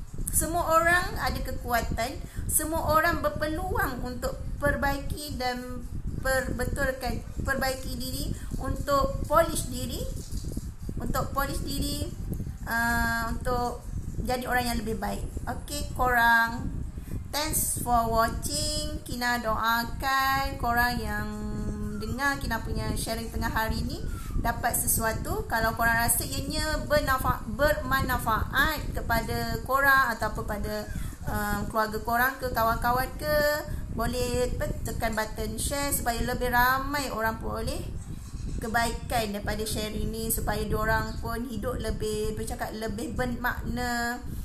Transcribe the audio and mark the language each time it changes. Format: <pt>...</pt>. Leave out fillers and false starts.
<ms>Semua orang ada kekuatan, semua orang berpeluang untuk perbaiki dan perbetulkan, perbaiki diri, untuk polish diri, untuk polish diri, untuk jadi orang yang lebih baik.</ms> <en>Okay</en> <ms>korang,</ms> <en>thanks for watching.</en> <ms>Kina doakan korang yang dengar Kina punya sharing tengah hari ni dapat sesuatu. Kalau korang rasa ianya bermanfaat kepada korang atau kepada keluarga korang ke, kawan-kawan ke, boleh tekan button share supaya lebih ramai orang pun boleh kebaikan daripada sharing ni, supaya diorang pun hidup lebih, bercakap lebih bermakna.</ms>